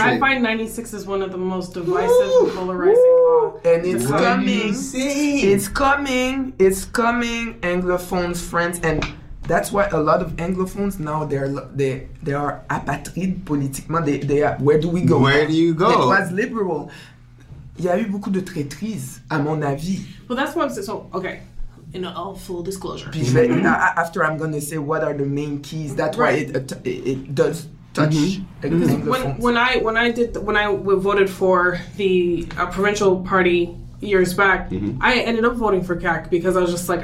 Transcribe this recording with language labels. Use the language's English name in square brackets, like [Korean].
[English] And I find 96 is one of the most divisive, polarizing laws. And it's coming. It's coming, Anglophones, friends. And that's why a lot of Anglophones now they are [French] apatride politiquement. [English] Where do you go? It was liberal. [French] Il y a eu beaucoup de traîtrises, à mon avis. [English] Well, that's what I'm saying. So, okay, in all full disclosure. Mm-hmm. Now, after I'm going to say what are the main keys. That's right. Why it does touch. Mm-hmm. When I voted for the provincial party years back, mm-hmm. I ended up voting for CAC because I was just like,